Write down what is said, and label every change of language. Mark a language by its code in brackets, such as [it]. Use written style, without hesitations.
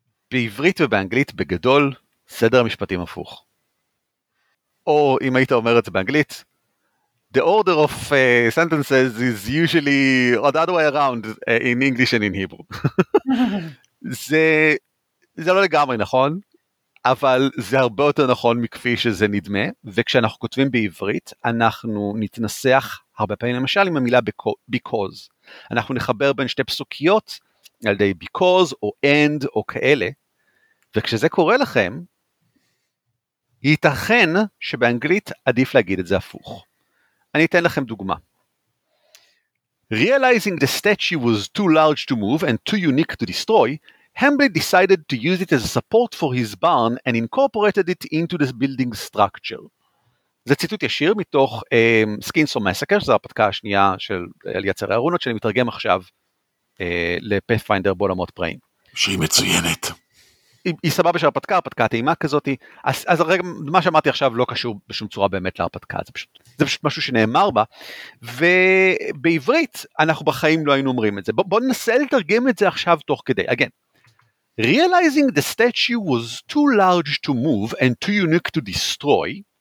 [he] בעברית ובאנגלית, בגדול, סדר המשפטים הפוך. או אם היית אומר את זה באנגלית, [en] the order of sentences is usually or the other way around in English and in Hebrew. [he] זה לא לגמרי נכון, אבל זה הרבה יותר נכון מכפי שזה נדמה, וכשאנחנו כותבים בעברית, אנחנו נתנסח הרבה פעמים, למשל עם המילה because. אנחנו נחבר בין שתי פסוקיות על ידי because או and או כאלה, וכשזה קורה לכם, ייתכן שבאנגלית עדיף להגיד את זה הפוך. אני אתן לכם דוגמה. [en] Realizing the statue was too large to move and too unique to destroy, Hamblin decided to use it as a support for his barn and incorporated it into the building structure. [he] זה ציטוט ישיר מתוך Skins of Massacre, זו הפתקה השנייה של יצרי הרונות, שאני מתרגם עכשיו לפאת'פיינדר בעולמות פראים. שהיא מצוינת. היא סבבה של הפתקה, הפתקה הטעימה כזאת, אז הרגע, מה שאמרתי עכשיו לא קשור בשום צורה באמת להפתקה, זה פשוט משהו שנאמר בה, ובעברית אנחנו בחיים לא היינו אומרים את זה, בוא ננסה לתרגם את זה עכשיו תוך כדי, [en] again, realizing the statue was too large to move and too unique to destroy,